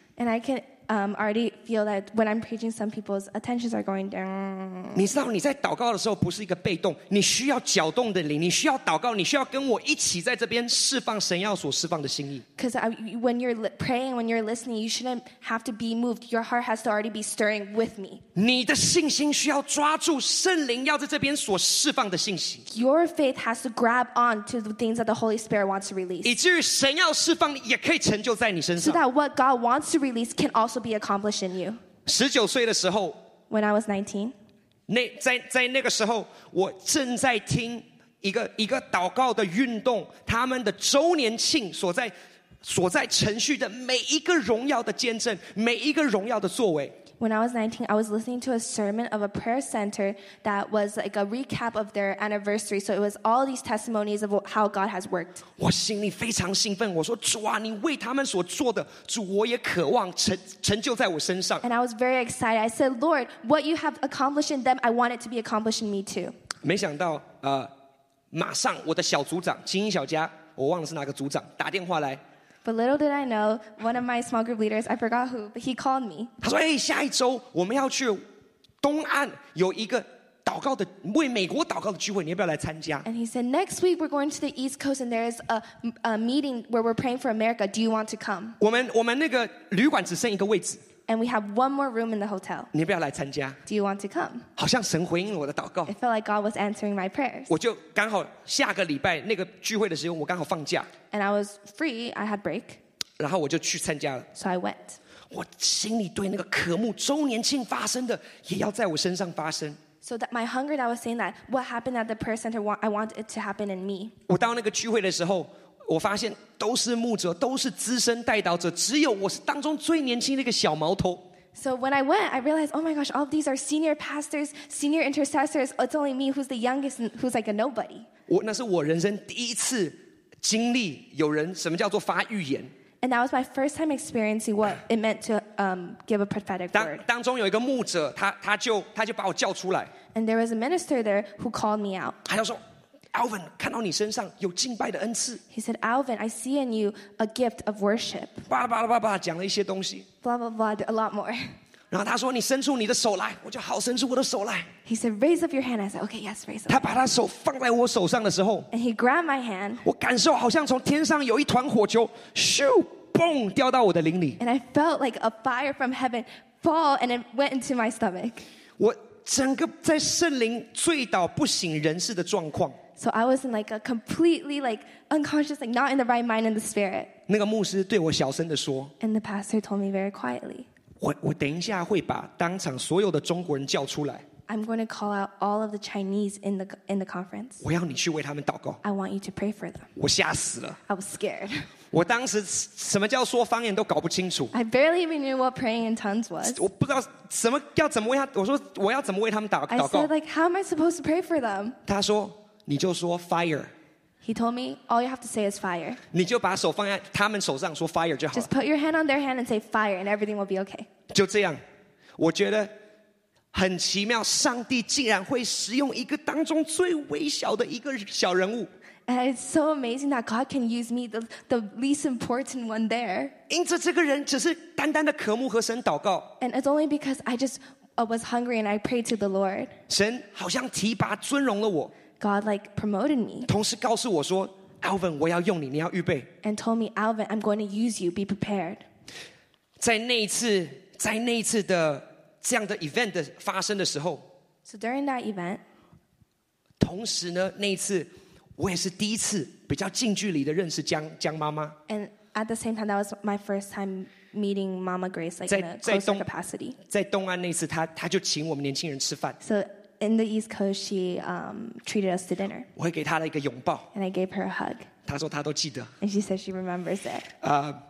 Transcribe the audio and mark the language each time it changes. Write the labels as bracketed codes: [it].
[en] And I can already feel that when I'm preaching, some people's attentions are going down. [zh] 你知道你在祷告的时候不是一个被动，你需要搅动的灵，你需要祷告，你需要跟我一起在这边释放神要所释放的心意。 [en] Because when you're praying, when you're listening, you shouldn't have to be moved. Your heart has to already be stirring with me. [zh] 你的信心需要抓住圣灵要在这边所释放的信息。 [en] Your faith has to grab on to the things that the Holy Spirit wants to release. [zh] 以至于神要释放也可以成就在你身上。 [en] So that what God wants to release can also be accomplished in you. [zh] 19岁的时候， [en] When I was 19, [zh] 在那个时候，我正在听一个祷告的运动，他们的周年庆所在程序的每一个荣耀的见证，每一个荣耀的作为。 [en] When I was 19, I was listening to a sermon of a prayer center that was like a recap of their anniversary. So it was all these testimonies of how God has worked. [zh] 我心里非常兴奋，我说主啊，你为他们所做的，主我也渴望成就在我身上。 [en] And I was very excited. I said, Lord, what you have accomplished in them, I want it to be accomplished in me too. [zh] 没想到，马上我的小组长金英小佳，我忘了是哪个组长，打电话来。 [en] But little did I know, one of my small group leaders, I forgot who, but he called me. [zh] 他说，哎，下一周我们要去东岸有一个祷告的为美国祷告的聚会，你要不要来参加？ [en] And he said, next week we're going to the East Coast and there is a meeting where we're praying for America. Do you want to come? [zh] 我们那个旅馆只剩一个位置。 [en] And we have one more room in the hotel. [zh] 你要不要来参加？ [en] Do you want to come? [zh] 好像神回应了我的祷告。 [en] It felt like God was answering my prayers. [zh] 我就刚好下个礼拜那个聚会的时候，我刚好放假。 [en] And I was free. I had break. [zh] 然后我就去参加了。 [en] So I went. [zh] 我心里对那个渴慕周年庆发生的，也要在我身上发生。 [en] So that my hunger that I was saying that what happened at the prayer center, I want it to happen in me. [zh] 我到那个聚会的时候，我发现都是牧者，都是资深带导者，只有我是当中最年轻的一个小毛头。 [en] So when I went, I realized, oh my gosh, all of these are senior pastors, senior intercessors. It's only me who's the youngest, and who's like a nobody. [zh] 那是我人生第一次经历有人什么叫做发预言。 [en] And that was my first time experiencing what it meant to give a prophetic word. [zh] 当中有一个牧者，他就把我叫出来。 [en] And there was a minister there who called me out. [zh] 他就说。 Alvin, 看到你身上有敬拜的恩赐。 [en] He said, Alvin, I see in you a gift of worship. [zh] 巴拉巴拉巴拉，讲了一些东西。 [en] Blah, blah, blah, a lot more. [zh] 然后他说，你伸出你的手来，我就好伸出我的手来。 [en] He said, raise up your hand. I said, okay, yes, raise up. [zh] 他把他手放在我手上的时候。 [en] And he grabbed my hand. [zh] 我感受好像从天上有一团火球，咻，嘣，掉到我的灵里。 [en] And I felt like a fire from heaven fall and it went into my stomach. [zh] 我整个在圣灵醉倒不省人事的状况。 [en] So I was in like a completely like unconscious, like not in the right mind in the spirit. [zh] 那个牧师对我小声地说。 [en] And the pastor told me very quietly. [zh] 我等一下会把当场所有的中国人叫出来。 [en] I'm going to call out all of the Chinese in the conference. [zh] 我要你去为他们祷告。 [en] I want you to pray for them. [zh] 我吓死了。 [en] I was scared. [zh] 我当时什么叫说方言都搞不清楚。 [en] I barely even knew what praying in tongues was. [zh] 我不知道什么要怎么为他，我说我要怎么为他们祷告。 [en] I said like, how am I supposed to pray for them? [zh] 他说。你就说 fire. [en] He told me all you have to say is fire. [zh] 你就把手放在他们手上说 fire 就好了。 [en] Just put your hand on their hand and say fire, and everything will be okay. [zh] 就这样，我觉得很奇妙，上帝竟然会使用一个当中最微小的一个小人物。 [en] And it's so amazing that God can use me, the least important one there. [zh] 因着这个人只是单单的渴慕和神祷告。 [en] And it's only because I just was hungry and I prayed to the Lord. [zh] 神好像提拔尊荣了我。 [en] God like promoted me. [zh] 同时告诉我说， Alvin, 我要用你，你要预备。 [en] And told me, Alvin, I'm going to use you. Be prepared. [zh] 在那一次的这样的 event 的发生的时候 [en] ，So during that event， [zh] 同时呢，那一次我也是第一次比较近距离的认识江妈妈。 [en] And at the same time, that was my first time meeting Mama Grace like in a closer capacity. [zh] 在东岸那次，她就请我们年轻人吃饭。 [en] So in the East Coast, she treated us to dinner. [zh] 我会给她了一个拥抱。 [en] And I gave her a hug. [zh] 她说她都记得。 [en] And she said she remembers it.